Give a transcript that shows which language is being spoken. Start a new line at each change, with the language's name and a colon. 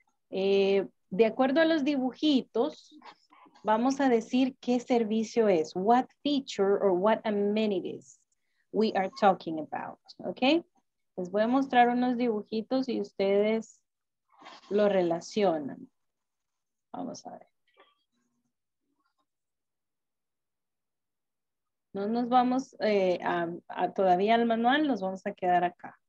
Spanish: De acuerdo a los dibujitos, vamos a decir qué servicio es.
English: What feature or what amenities we are talking about. Okay?
Spanish: Les voy a mostrar unos dibujitos y ustedes lo relacionan. Vamos a ver. No nos vamos todavía al manual, nos vamos a quedar acá.